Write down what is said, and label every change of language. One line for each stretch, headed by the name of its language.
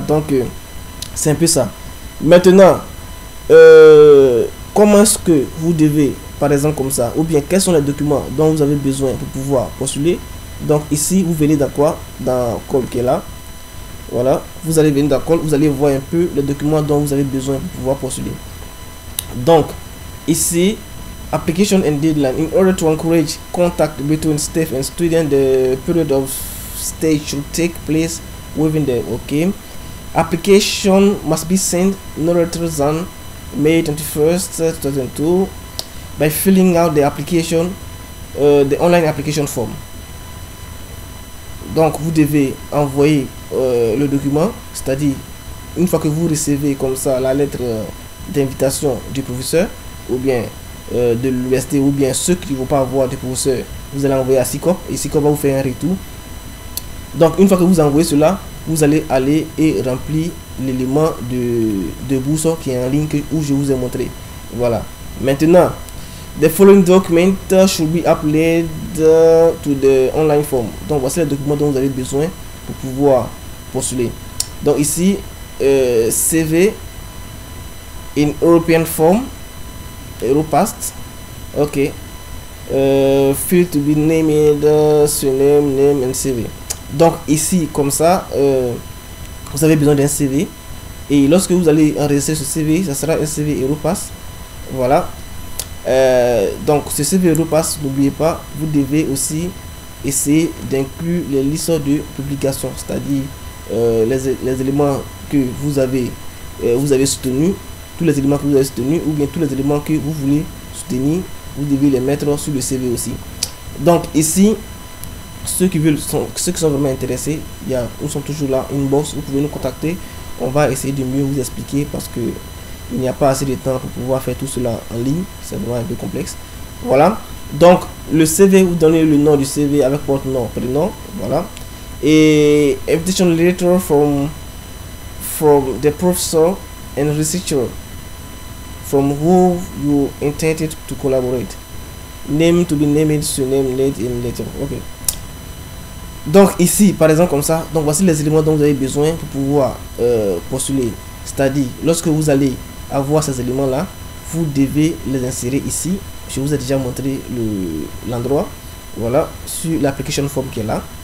French: Donc, c'est un peu ça. Maintenant, comment est-ce que vous devez, par exemple, comme ça, ou bien quels sont les documents dont vous avez besoin pour pouvoir postuler? Donc, ici, vous venez dans quoi? Dans Call qui est là. Voilà, vous allez venir dans Call, vous allez voir un peu les documents dont vous avez besoin pour pouvoir postuler. Donc, ici,
English: application and deadline. In order to encourage contact between staff and student, the period of stay should take place within the OK. Application must be sent no later than May 21st, 2002 by filling out the application, the online application form.
French: Donc, vous devez envoyer le document, c'est-à-dire une fois que vous recevez comme ça la lettre d'invitation du professeur ou bien de l'université ou bien ceux qui ne vont pas avoir de professeur, vous allez envoyer à SICOP et SICOP va vous faire un retour. Donc, une fois que vous envoyez cela, vous allez aller et remplir l'élément de bourse qui est en ligne où je vous ai montré. Voilà.
English: Maintenant, the following document should be uploaded to the online form.
French: Donc, voici les documents dont vous avez besoin pour pouvoir postuler. Donc, ici,
English: CV in European form, Europass. OK. Field to be named, surname, name and CV.
French: Donc, ici, comme ça, vous avez besoin d'un CV. Et lorsque vous allez enregistrer ce CV, ça sera un CV Europass. Voilà. Donc, ce CV Europass, n'oubliez pas, vous devez aussi essayer d'inclure les listes de publications, c'est-à-dire les éléments que vous avez soutenus, tous les éléments que vous avez soutenus, ou bien tous les éléments que vous voulez soutenir, vous devez les mettre sur le CV aussi. Donc, ici, ceux qui sont vraiment intéressés, nous sommes toujours là, une box, vous pouvez nous contacter. On va essayer de mieux vous expliquer parce que il n'y a pas assez de temps pour pouvoir faire tout cela en ligne. C'est vraiment un peu complexe. Voilà. Donc, le CV, vous donnez le nom du CV avec votre nom, prénom. Voilà.
English: Et invitation letter from the professor and researcher from whom you intended to collaborate. Name to be named, surname, date and letter. OK.
French: Donc ici, par exemple comme ça, donc voici les éléments dont vous avez besoin pour pouvoir postuler. C'est-à-dire, lorsque vous allez avoir ces éléments-là, vous devez les insérer ici. Je vous ai déjà montré l'endroit. Voilà, sur l'application form qui est là.